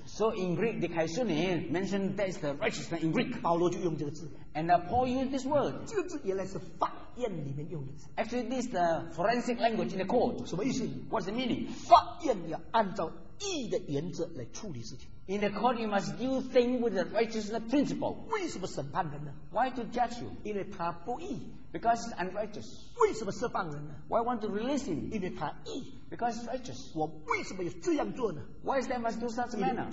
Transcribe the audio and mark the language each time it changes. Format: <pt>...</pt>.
<en>So in Greek, dikaiosune mentioned that is the righteousness in Greek.</en> <zh>保罗就用这个字,</zh> <en>and Paul used this word.</en> <zh>这个字原来是法,</zh> <en>actually, this is the forensic language in the court.</en> <zh>什么意思?</zh> <en>What's the meaning?</en> <zh>法院要按照义的原则来处理事情。</zh> <en>In the court, you must do things with the righteousness principle.</en> <zh>为什么审判人呢?</zh> <en>Why to judge you?</en> <zh>因为他不义。</zh> <en>Because he's unrighteous.</en> <zh>为什么释放人呢?</zh> <en>Why want to release him?</en> <zh>因为他义。</zh> <en>Because he's righteous.</en> <zh>我为什么要这样做呢?</zh> <en>Why is there must do such a manner?</en>